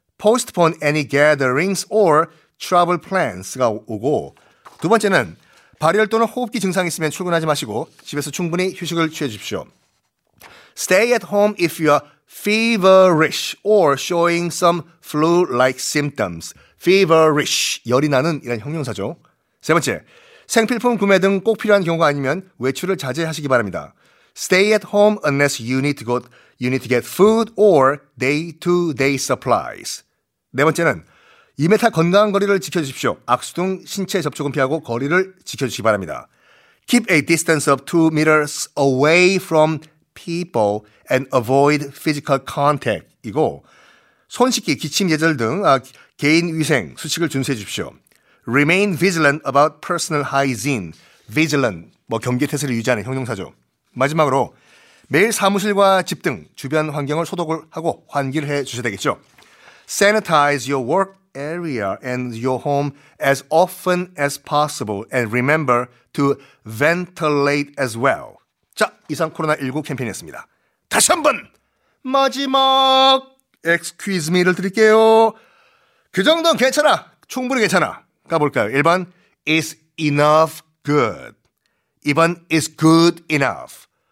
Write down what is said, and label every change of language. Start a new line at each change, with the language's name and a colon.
English: Postpone any gatherings or travel plans
Korean: 가 오고 두 번째는 발열 또는 호흡기 증상이 있으면 출근하지 마시고 집에서 충분히 휴식을 취해 주십시오.
English: Stay at home if you are feverish or showing some flu-like symptoms.
Korean: Feverish, 열이 나는 이런 형용사죠. 세 번째, 생필품 구매 등 꼭 필요한 경우가 아니면 외출을 자제하시기 바랍니다.
English: Stay at home unless you need to go, you need to get food or day-to-day supplies.
Korean: 네 번째는 2m 건강 거리를 지켜주십시오. 악수 등 신체 접촉은 피하고 거리를 지켜주시기 바랍니다.
English: Keep a distance of 2m away from people and avoid physical contact.
Korean: 이고 손 씻기, 기침 예절 등 개인 위생 수칙을 준수해 주십시오.
English: Remain vigilant about personal hygiene. Vigilant,
Korean: 뭐 경계 태세를 유지하는 형용사죠. 마지막으로 매일 사무실과 집 등 주변 환경을 소독을 하고 환기를 해 주셔야 되겠죠.
English: Sanitize your work area and your home as often as possible and remember to ventilate as well.
Korean: 자, 이상 코로나19 캠페인이었습니다. 다시 한번 마지막 excuse me를 드릴게요. 그 정도는 괜찮아. 충분히 괜찮아. 가볼까요? 1번
English: is enough good. 2번 is good enough.